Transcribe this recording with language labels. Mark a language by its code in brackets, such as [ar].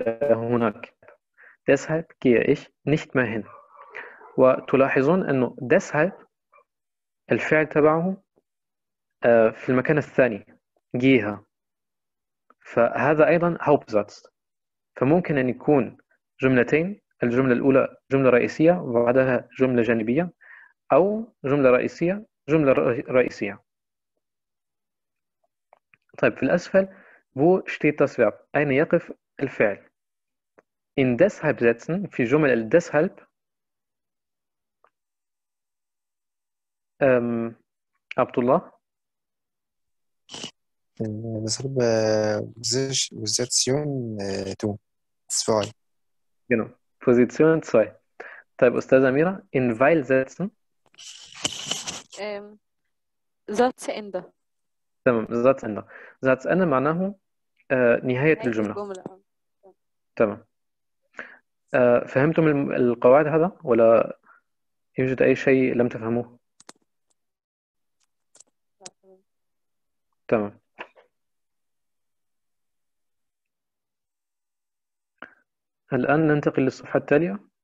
[ar] هناك [de] deshalb gehe ich nicht mehr hin. [ar] وتلاحظون أنه deshalb الفعل تبعه في المكان الثاني جيها، فهذا أيضا Hauptsatz. فممكن أن يكون جملتين، الجملة الأولى جملة رئيسية وبعدها جملة جانبية، أو جملة رئيسية جملة رئيسية. طيب في الأسفل [de] wo steht das Verb؟ [ar] أين يقف الفعل؟ [de] in deshalb setzen [ar] في جملة deshalb عبد الله [de] deshalb position 2 genau position 2 [ar] طيب أستاذة أميرة [de] in weil setzen Satz Ende [ar] تمام [de] Satz Ende Satz Ende [ar] معناه نهاية الجملة تمام فهمتم القواعد هذا ولا يوجد أي شيء لم تفهموه؟ تمام الآن ننتقل للصفحة التالية